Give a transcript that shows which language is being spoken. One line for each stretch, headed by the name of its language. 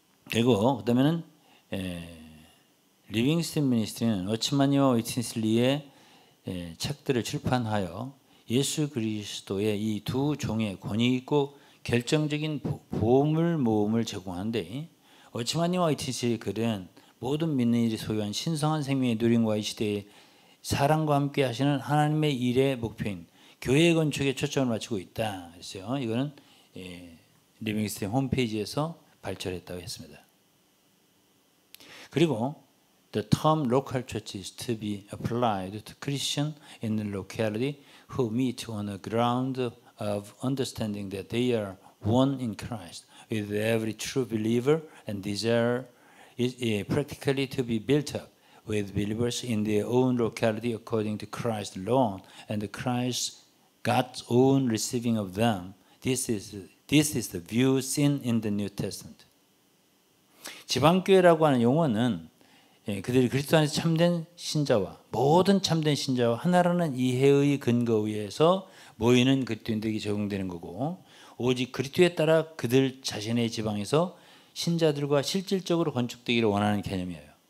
Korean: 그리고 그다음에는 예, 리빙스턴 미니스트리는 워치마니와 위틴슬리의 예, 책들을 출판하여 예수 그리스도의 이 두 종의 권위 있고 결정적인 보물 모음을 제공하는데 워치마니와 위틴슬리의 글은 모든 믿는 이들이 소유한 신성한 생명의 누림과 이 시대의 사랑과 함께 하시는 하나님의 일의 목표인 교회 건축에 초점을 맞추고 있다 했어요. 이거는 예, 리빙스턴 홈페이지에서 발췌했다고 했습니다. 그리고
English: the term local church is to be applied to Christians in the locality who meet on a ground of understanding that they are one in Christ with every true believer and desire is practically to be built up. with believers in their own locality according to Christ alone and Christ God's own receiving of them. This is the view seen in the New Testament.
Korean: 지방교회라고 하는 용어는 예, 그들이 그리스도 안에서 참된 신자와 모든 참된 신자와 하나라는 이해의 근거 위에서 모이는 그리스도인들에게 적용되는 거고 오직 그리스도에 따라 그들 자신의 지방에서 신자들과 실질적으로 건축되기를 원하는 개념이에요.